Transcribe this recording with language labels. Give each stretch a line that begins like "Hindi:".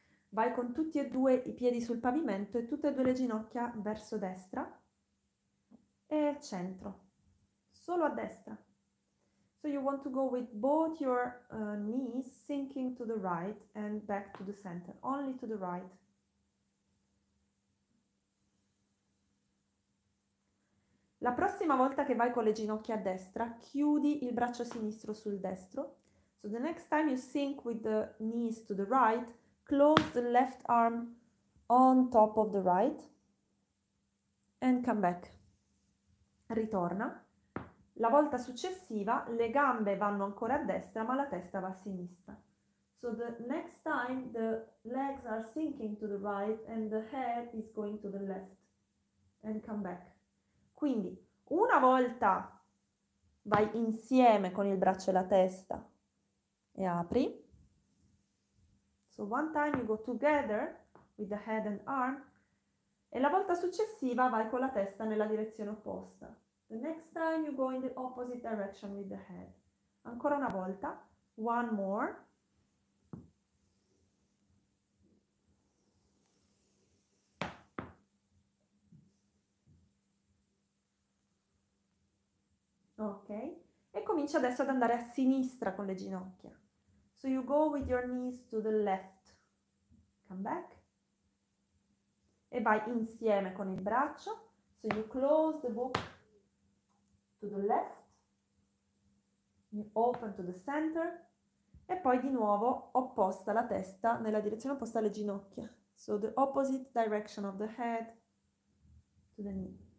Italian: Vai con tutti e due i piedi sul pavimento e tutte e due le ginocchia verso destra e centro, solo a destra.
English: So you want to go with both your knees sinking to the right and back to the center, only to the right.
Italian: La prossima volta che vai con le ginocchia a destra, chiudi il braccio sinistro sul destro.
English: So the next time you sink with the knees to the right, close the left arm on top of the right and come back.
Italian: Ritorna. La volta successiva le gambe vanno ancora a destra, ma la testa va a sinistra.
English: So the next time the legs are sinking to the right and the head is going to the left and come back.
Italian: Quindi una volta vai insieme con il braccio e la testa e apri.
English: So one time you go together with the head and arm
Italian: e la volta successiva vai con la testa nella direzione opposta.
English: The next time you go in the opposite direction with the head.
Italian: Ancora una volta,
English: one more.
Italian: Ok, e comincia adesso ad andare a sinistra con le ginocchia.
English: So you go with your knees to the left. Come back.
Italian: E vai insieme con il braccio.
English: So you close the book to the left. You open to the center.
Italian: E poi di nuovo opposta la testa nella direzione opposta alle ginocchia.
English: So the opposite direction of the head to the knee.